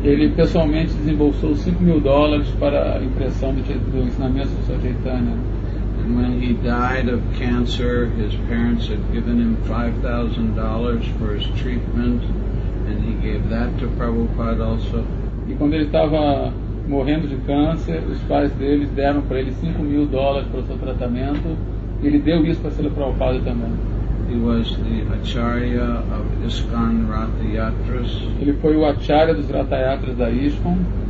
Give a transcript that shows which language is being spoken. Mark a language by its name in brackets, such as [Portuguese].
[Portuguese] Ele pessoalmente desembolsou $5,000 para a impressão do ensinamento do Sr. Chaitanya. [English] And when he died of cancer, his parents had given him $5,000 for his treatment, and he gave that to Prabhupada also. [Portuguese] E quando ele estava morrendo de câncer, os pais dele deram para ele $5,000 para o seu tratamento, e ele deu isso para ser Prabhupada também. [English] He was the acharya of ISKCON Ratayatras. [Portuguese] Ele foi o acharya dos Ratayatras da ISKCON.